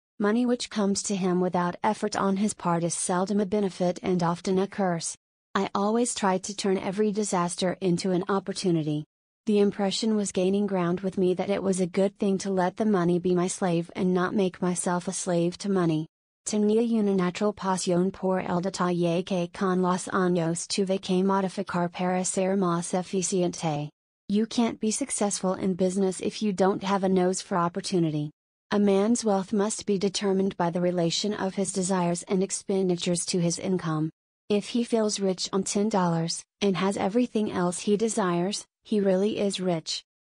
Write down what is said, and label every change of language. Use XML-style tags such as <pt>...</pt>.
<en>Money which comes to him without effort on his part is seldom a benefit and often a curse. I always try to turn every disaster into an opportunity. The impression was gaining ground with me that it was a good thing to let the money be my slave and not make myself a slave to money.</en> <es>Tenía una natural pasión por el detalle que con los años tuve que modificar para ser más eficiente.</es> <en>You can't be successful in business if you don't have a nose for opportunity. A man's wealth must be determined by the relation of his desires and expenditures to his income. If he feels rich on $10, and has everything else he desires, he really is rich.</en>